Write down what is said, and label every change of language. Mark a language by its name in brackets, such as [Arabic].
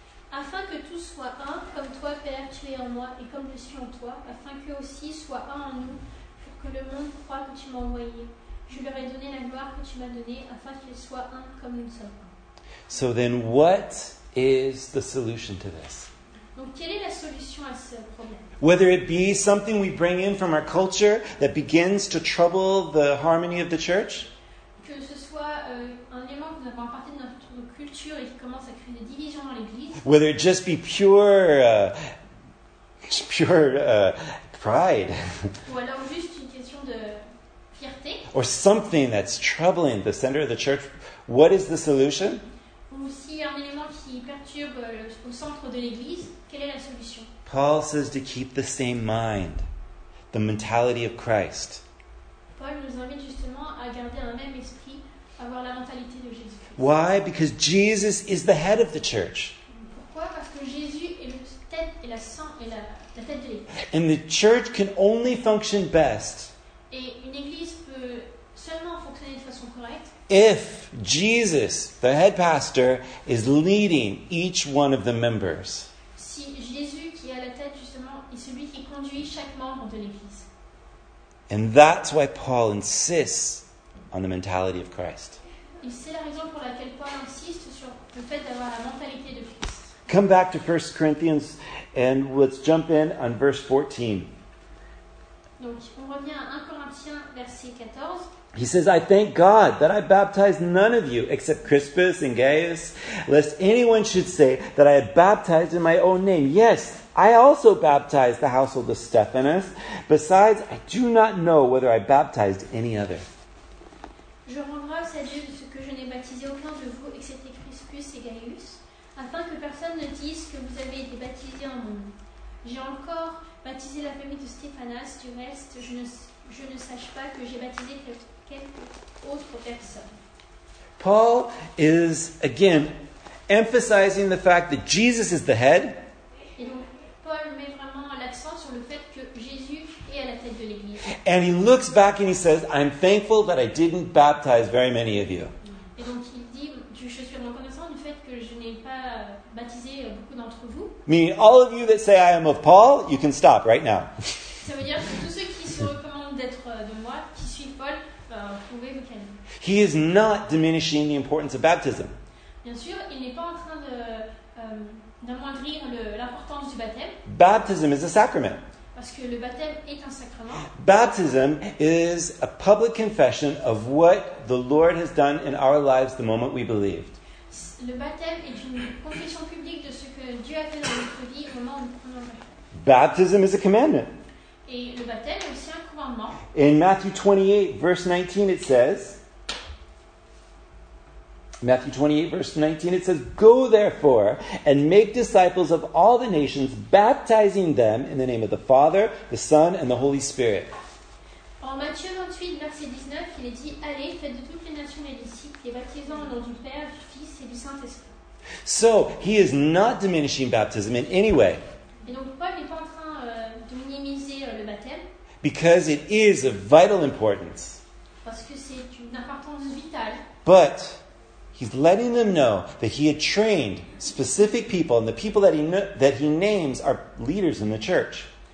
[French] Afin que tout soit un, comme toi, Père, tu es en moi, et comme je suis en toi, afin qu'eux aussi soient un en nous, pour que le monde croie que tu m'as envoyé. Je leur ai donné la gloire que tu m'as donnée, afin qu'ils soient un comme nous sommes. [English] So then, what is the solution to this? [French] Donc, quelle est la solution à ce problème? [English] Whether it be something we bring in from our culture that begins to trouble the harmony of the church? [French] Que ce soit un élément que nous avons apporté de notre culture et qui commence à créer des divisions dans l'église? [English] Whether it just be pure It's pure pride. [French] Ou alors juste une question de fierté. [English] Or something that's troubling the center of the church. What is the solution? [French] Ou si un élément qui perturbe le centre de l'église, quelle est la solution? [English] Paul says to keep the same mind, the mentality of Christ. [French] Paul nous invite justement à garder un même esprit, avoir la mentalité de Jésus. [English] Why? Because Jesus is the head of the church. [French] Pourquoi? Parce que Jésus est le tête et la sang et la tête de l'église. [English] And the church can only function best. [French] Et une église peut seulement fonctionner de façon correcte. [English] If Jesus, the head pastor, is leading each one of the members. [French] Si Jésus qui est à la tête justement est celui qui conduit chaque membre de l'église. [English] And that's why Paul insists on the mentality of Christ. [French] Et c'est la raison pour laquelle Paul insiste sur le fait d'avoir la mentalité de Christ. [English] Come back to 1 Corinthians and let's jump in on verse 14. [French] Donc, on revient à 1 Corinthiens, verset 14. [English] He says, I thank God that I baptized none of you except Crispus and Gaius, lest anyone should say that I had baptized in my own name. Yes, I also baptized the household of Stephanas. Besides, I do not know whether I baptized any other. [French] Je rends grâce à Dieu de ce que je n'ai baptisé aucun de vous excepté Crispus et Gaius, afin que personne ne dise que vous avez été baptisé en mon nom. J'ai encore baptisé la famille de Stephanas, du reste, je ne sache pas que j'ai baptisé quelque autre personne. [English] Paul is, again, emphasizing the fact that Jesus is the head. [French] Et donc, Paul met vraiment l'accent sur le fait que Jésus est à la tête de l'Église. [English] And he looks back and he says, I'm thankful that I didn't baptize very many of you. [French] Et donc, il dit, je suis reconnaissant du fait que je n'ai pas baptisé beaucoup d'entre vous. [English] Meaning, all of you that say I am of Paul, you can stop right now. [French] Ça veut dire que tous ceux qui se recommandent d'être de moi, qui suivent Paul, pouvez vous calmer. [English] He is not diminishing the importance of baptism. [French] Bien sûr, il n'est pas en train d'amoindrir l'importance du baptême. [English] Baptism is a sacrament. [French] Parce que le baptême est un sacrement. [English] Baptism is a public confession of what the Lord has done in our lives the moment we believed. [French] Le baptême est une confession publique de ce que Dieu a fait dans notre vie au moment où nous prenons la foi. [English] Baptism is a commandment. [French] Et le baptême est aussi un commandement. [English] In Matthew 28, verse 19, it says, Matthew 28, verse 19, it says, Go therefore and make disciples of all the nations, baptizing them in the name of the Father, the Son, and the Holy Spirit. [French] En Matthieu 28, verset 19, il est dit, Allez, faites de toutes les nations les disciples, les baptisant au nom du Père, du Fils et du Saint-Esprit. [English] So, he is not diminishing baptism in any way. [French] Et donc, Paul n'est pas en train de minimiser le baptême. [English] Because it is of vital importance. [French] Parce que c'est une importance vitale. [English] But he's letting them know that he had trained specific people, and the people that he names are leaders in the church.